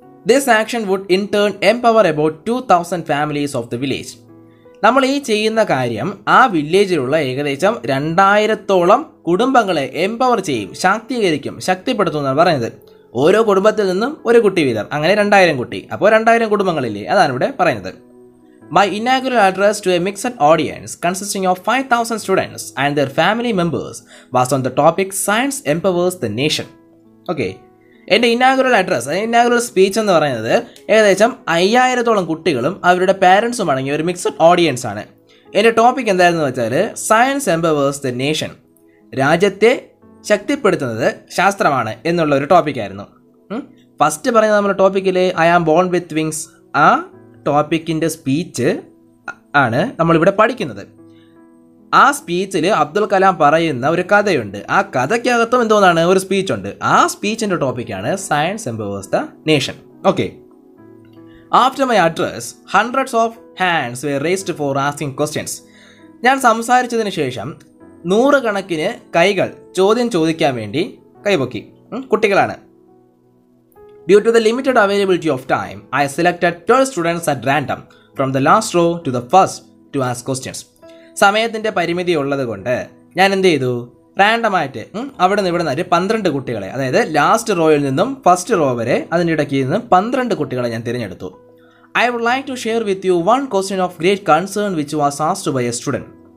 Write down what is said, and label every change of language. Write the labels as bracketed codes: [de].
[en] This action would in turn empower about 2000 families of the village. [ml] നമ്മൾ ഈ ചെയ്യുന്ന കാര്യം ആ വില്ലേജിലുള്ള ഏകദേശം 2000 കുടുംബങ്ങളെ എംപവർ ചെയ്യും, ശാക്തീകരിക്കും, ശക്തിപ്പെടുത്തും എന്നാണ് പറയുന്നത്. ഓരോ കുടുംബത്തിൽ നിന്നും ഒരു കുട്ടി വീതം, അങ്ങനെ 2000 കുട്ടി, അപ്പോൾ 2000 കുടുംബങ്ങളില്ലേ, അതാണ് ഇവിടെ പറയുന്നത്. [en] My inaugural address to a mixed audience consisting of 5,000 students and their family members was on the topic Science Empowers the Nation. Okay. [ml] എൻ്റെ ഇനാഗുറൽ അഡ്രസ്, ഇനാഗുറൽ സ്പീച്ച് എന്ന് പറയുന്നത് ഏകദേശം 5,000 കുട്ടികളും അവരുടെ പാരൻസും അടങ്ങിയ ഒരു മിക്സഡ് ഓഡിയൻസ് ആണ്. എൻ്റെ ടോപ്പിക് എന്തായിരുന്നു വെച്ചാൽ, [en] science empowers the nation, [ml] രാജ്യത്തെ ശക്തിപ്പെടുത്തുന്നത് ശാസ്ത്രമാണ് എന്നുള്ള ഒരു ടോപ്പിക്കായിരുന്നു. ഫസ്റ്റ് പറയുന്ന നമ്മുടെ ടോപ്പിക്കിലെ [en] I am born with wings [ml] ആ ടോപ്പിക്കിൻ്റെ സ്പീച്ച് ആണ് നമ്മളിവിടെ പഠിക്കുന്നത്. ആ സ്പീച്ചിൽ അബ്ദുൽ കലാം പറയുന്ന ഒരു കഥയുണ്ട്. ആ കഥയ്ക്കകത്തും എന്തോന്നാണ് ഒരു സ്പീച്ചുണ്ട്. ആ സ്പീച്ചിൻ്റെ ടോപ്പിക്കാണ് [en] Science empowers the nation. [ml] Okay. [en] After my address hundreds of hands were raised for asking questions. [ml] ഞാൻ സംസാരിച്ചതിന് ശേഷം 100 കൈകൾ ചോദ്യം ചോദിക്കാൻ വേണ്ടി കൈപൊക്കി. കുട്ടികളാണ്. [en] Due to the limited availability of time, I selected 12 students at random from the last row to the first to ask questions. [ml] സമയത്തിൻ്റെ പരിമിതി ഉള്ളതുകൊണ്ട് ഞാൻ എന്ത് ചെയ്തു, റാൻഡമായിട്ട് അവിടെ നിന്ന് ഇവിടെ നിന്ന് 12 കുട്ടികളെ, അതായത് ലാസ്റ്റ് റോയിൽ നിന്നും ഫസ്റ്റ് റോ വരെ, അതിൻ്റെ ഇടയ്ക്ക് നിന്ന് 12 കുട്ടികളെ ഞാൻ തിരഞ്ഞെടുത്തു. [en] I would like to share with you one question of great concern which was asked by a student.